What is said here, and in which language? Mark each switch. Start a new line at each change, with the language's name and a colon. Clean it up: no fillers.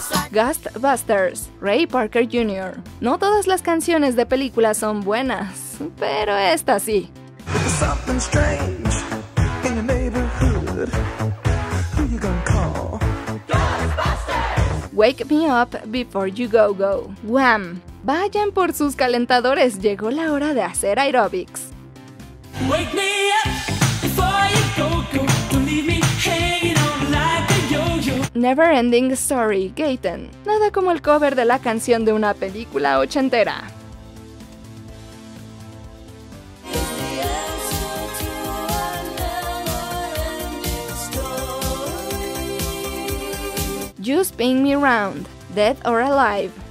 Spanish: Ghostbusters, Ray Parker Jr. No todas las canciones de películas son buenas, pero esta sí. Wake Me Up Before You Go Go, Wham! Vayan por sus calentadores, llegó la hora de hacer aerobics.
English: Wake me up before you go, go. Don't leave me hanging on like a yo-yo. Never Ending Story, Gaten.
Spanish: Nada como el cover de la canción de una película ochentera.
English: You Spin Me Round, Dead or Alive.